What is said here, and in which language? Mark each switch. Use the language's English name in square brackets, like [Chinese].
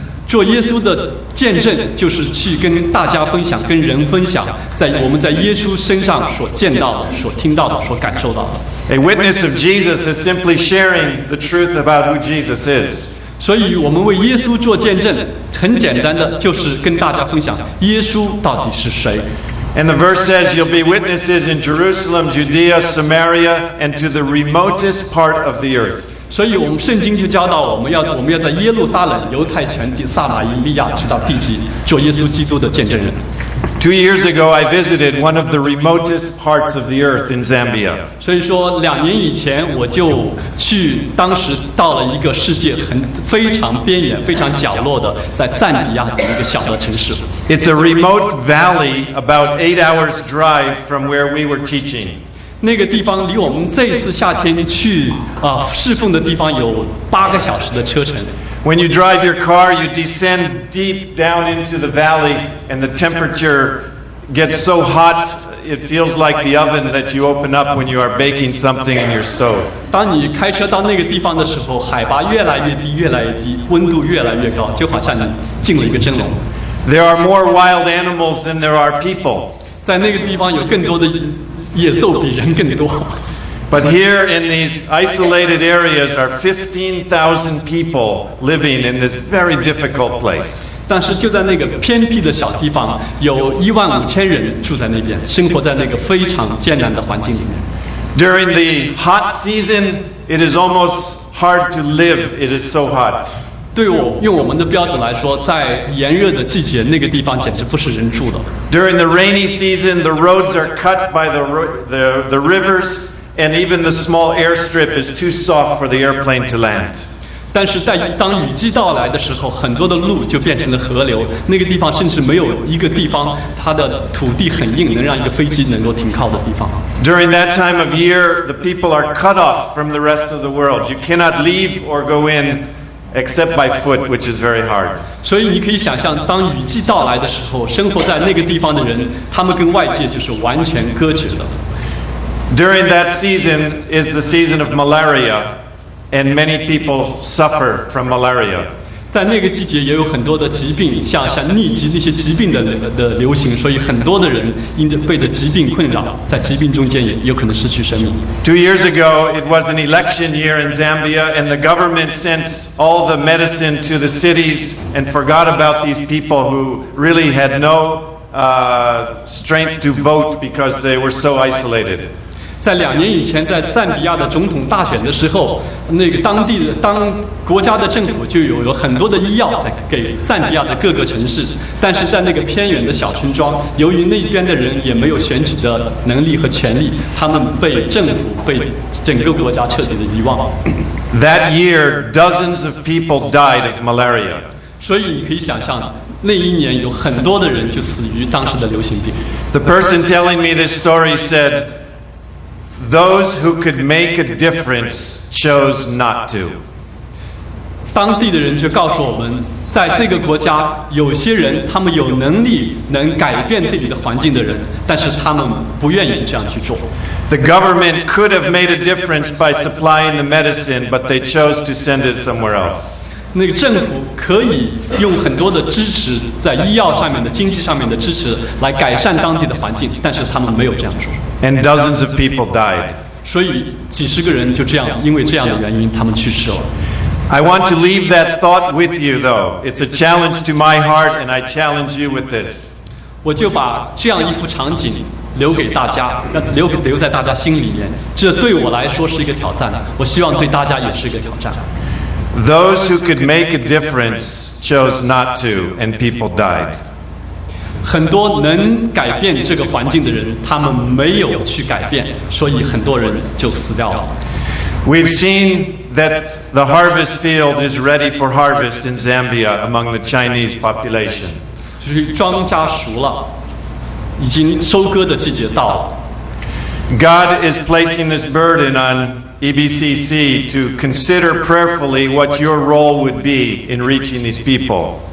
[Chinese] 做耶稣的见证就是去跟大家分享，跟人分享，在我们在耶稣身上所见到的、所听到的、所感受到的。 [English] A witness of Jesus is simply sharing the truth about who Jesus is. [Chinese] 所以我们为耶稣做见证，很简单的就是跟大家分享耶稣到底是谁。 [English] And the verse says, "You'll be witnesses in Jerusalem, Judea, Samaria, and to the remotest part of the earth." [Chinese] 所以，我们圣经就教导我们要在耶路撒冷、犹太全地、撒玛利亚，直到地极，做耶稣基督的见证人。 [English] 2 years ago, I visited one of the remotest parts of the earth in Zambia. [Chinese] 所以说，两年以前我就去，当时到了一个世界很非常边缘、非常角落的，在赞比亚的一个小的城市。 [English] It's a remote valley about 8 hours drive from where we were teaching. [Chinese] 那个地方离我们这次夏天去侍奉的地方有8个小时的车程。 [English] When you drive your car, you descend deep down into the valley, and the temperature gets so hot it feels like the oven that you open up when you are baking something in your stove. [Chinese] 当你开车到那个地方的时候，海拔越来越低，越来越低，温度越来越高，就好像你进了一个蒸笼。 [English] There are more wild animals than there are people. [Chinese] 在那个地方有更多的野兽比人更多。 [English] But here in these isolated areas are 15,000 people living in this very difficult place. [Chinese] 但是就在那个偏僻的小地方，有15,000人住在那边，生活在那个非常艰难的环境里面。 [English] During the hot season, it is almost hard to live. It is so hot. [Chinese] 对我用我们的标准来说，在炎热的季节，那个地方简直不是人住的。 [English] During the rainy season, the roads are cut by the rivers, and even the small airstrip is too soft for the airplane to land. [Chinese] 但是在当雨季到来的时候，很多的路就变成了河流，那个地方甚至没有一个地方它的土地很硬，能让一个飞机能够停靠的地方。 [English] During that time of year, the people are cut off from the rest of the world. You cannot leave or go in. Except by foot, which is very hard. [Chinese] 所以你可以想象，当雨季到来的时候，生活在那个地方的人，他们跟外界就是完全隔绝的。 [English] During that season is the season of malaria, and many people suffer from malaria. [Chinese] 在那个季节也有很多的疾病，像痢疾那些疾病的流行，所以很多的人因着被的疾病困扰，在疾病中间也有可能失去生命。 [English] 2 years ago, it was an election year in Zambia, and the government sent all the medicine to the cities and forgot about these people who really had no strength to vote because they were so isolated. [Chinese] 在两年以前，在赞比亚的总统大选的时候，那个当国家的政府就有很多的医药在给赞比亚的各个城市，但是在那个偏远的小村庄，由于那边的人也没有选举的能力和权力，他们被政府、被整个国家彻底的遗忘。 [English] That year, dozens of people died of malaria. [Chinese] 所以你可以想象。那一年有很多的人就死于当时的流行病。 [English] The person telling me this story said,Those who could make a difference chose not to. [Chinese] 当地的人就告诉我们，在这个国家有些人他们有能力能改变自己的环境的人，但是他们不愿意这样去做。 [English] The government could have made a difference by supplying the medicine, but they chose to send it somewhere else. [Chinese] 那个政府可以用很多的支持，在医药上面的、经济上面的支持来改善当地的环境，但是他们没有这样做。 [English] And dozens of people died. [Chinese] 所以几十个人就这样，因为这样的原因，他们去世了。 [English] I want to leave that thought with you, though. It's a challenge to my heart, and I challenge you with this. [Chinese] 我就把这样一幅场景留给大家，留在大家心里面。这对我来说是一个挑战，我希望对大家也是一个挑战。 [English] Those who could make a difference chose not to, and people died. [Chinese] 很多能改变这个环境的人，他们没有去改变，所以很多人就死掉了。 [English] We've seen that the harvest field is ready for harvest in Zambia among the Chinese population. [Chinese] 就是庄稼熟了，已经收割的季节到了。 [English] God is placing this burden on EBCC to consider prayerfully what your role would be in reaching these people.